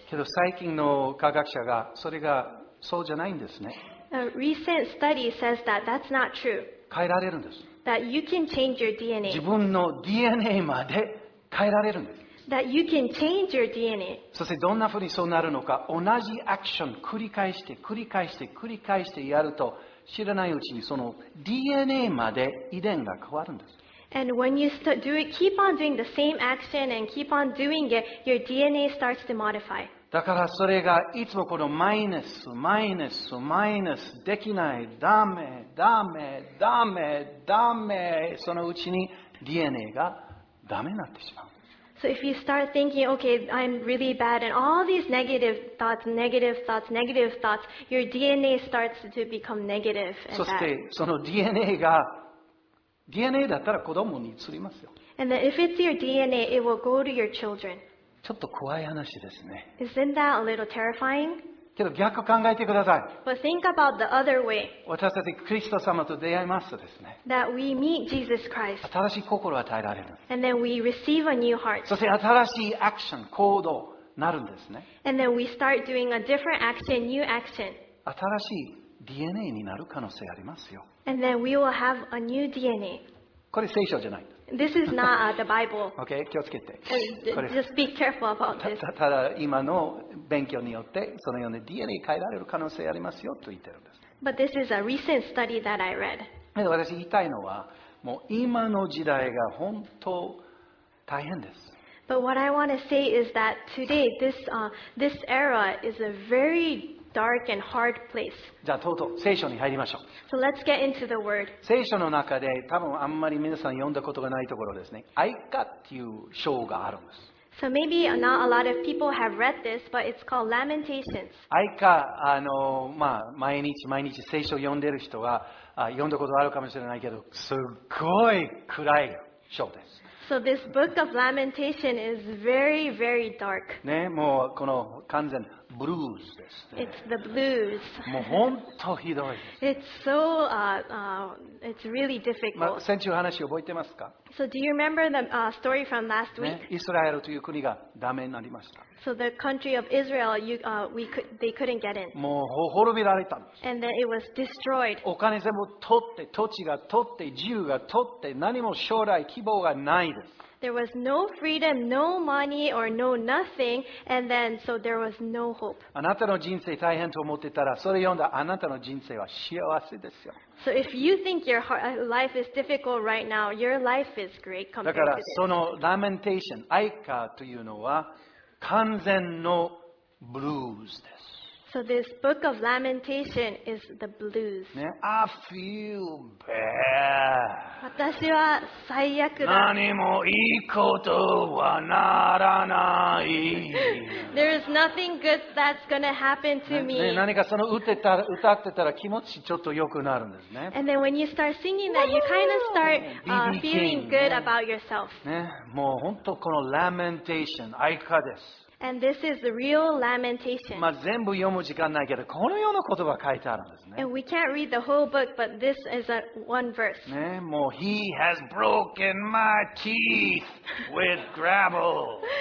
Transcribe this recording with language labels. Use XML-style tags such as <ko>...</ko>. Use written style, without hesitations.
<ja>けど最近の科学者がそれがそうじゃないんですね。</ja> <en>A recent study says that that's not true.</en> <ja>変えられるんです。</ja> <en>That you can change your DNA.</en> <ja>自分の DNA まで変えられるんです。</ja> <en>That you can change your DNA.</en> <ja>そしてどんなふうにそうなるのか、同じアクション繰り返して繰り返して繰り返してやると、知らないうちにその DNA まで遺伝が変わるんです。</ja> <en>And when you keep on doing the same action and keep on doing it, your DNA starts to modify.</en> <ja>だからそれがいつもこのマイナス、マイナス、マイナス、できない、ダメ、ダメ、ダメ、ダメ、そのうちに DNA がダメになってしまう。</ja> <en>So if you start thinking, okay, I'm really bad, and all these negative thoughts, negative thoughts, negative thoughts, your DNA starts to become negative and bad.</en> <ja>そしてその DNA が DNA だったら子供に移りますよ。</ja> <en>And then if it's your DNA, it will go to your children.</en> <ja>ちょっと怖い話ですね。</ja> <en>Isn't that a little terrifying?</en> <ja>けど逆を考えてください。</ja> <en>But think about the other way.</en> <ja>私たちクリスト様と出会いますとですね。</ja> <en>That we meet Jesus Christ.</en> <ja>新しい心を与えられる。</ja> <en>And then we receive a new heart.</en> <ja>そして新しいアクション、行動になるんですね。</ja> <en>And then we start doing a different action, new action.</en> <ja>新しい DNA になる可能性ありますよ。</ja> <en>And then we will have a new DNA.</en> <ja>これ聖書じゃない。</ja> <en>This is not the Bible.</en> <ja>Okay, 気をつけて。</ja> <en>Just be careful about this.</en> <ja>ただ今の勉強によってそのような DNA 変えられる可能性ありますよと言ってるんです。</ja> <en>But this is a recent study that I read.</en> <ja>私言いたいのは、もう今の時代が本当大変です。</ja> <en>But what I want to say is that today this era is a very dark and hard place.</en> <ja>じゃあとうとう聖書に入りましょう。</ja> <en>So let's get into the word.</en> <ja>聖書の中で多分あんまり皆さん読んだことがないところですね。アイカっていう章があるんです。</ja> <en>So maybe not a lot of people have read this, but it's called Lamentations.</en> <ja>アイカ、まあ毎日毎日聖書を読んでる人は読んだことあるかもしれないけど、すっごい暗い書です。</ja> <en>So this book of Lamentation is very, very dark.</en> <ja>ね、もうこの完全ブルーズです、ね。</ja> <en>It's the blues.</en> <ja>もう本当ひどいです。</ja> <en>It's so, it's really difficult.</en> <ja>まあ、先週話覚えてますか？</ja> <en>So do you remember the, story from last week?、</en> <ja>ね、イスラエルという国がダメになりました。</ja> <en>So the country of Israel, you, we could, they couldn't get in.</en> <ja>もう滅びられたんです。</ja> <en>And then it was destroyed.</en> <ja>お金全部取って、土地が取って、自由が取って、何も将来希望がないです。</ja> <en>There was no freedom, no money, or no nothing, and then so there was no hope.</en> <ja>あなたの人生大変と思ってたら、それ読んだあなたの人生は幸せですよ。</ja> <en>So if you think your life is difficult right now, your life is great compared to this.</en> <ja>だからそのラメンテーション、アイカというのは完全のブルーズです。</ja> <en>So this book of Lamentation is the blues. ね、I feel bad.</en> <ja>私は最悪だ。何もいいことはならない。</ja> <en>There is nothing good that's gonna happen to me.</en> <ja>ね、何かその歌ってたら気持ちちょっと良くなるんですね。</ja> <en>And then when you start singing that, you kind of start feeling good about yourself.</en> <ja>ね、もう本当この Lamentation、哀歌です。</ja> <en>And this is the real lamentation.</en> <ja>まあ全部読む時間ないけど、このような言葉書いてあるんですね。</ja> <en>And we can't read the whole book, but this is a one verse. ね、もう He has broken my teeth with gravel.</en>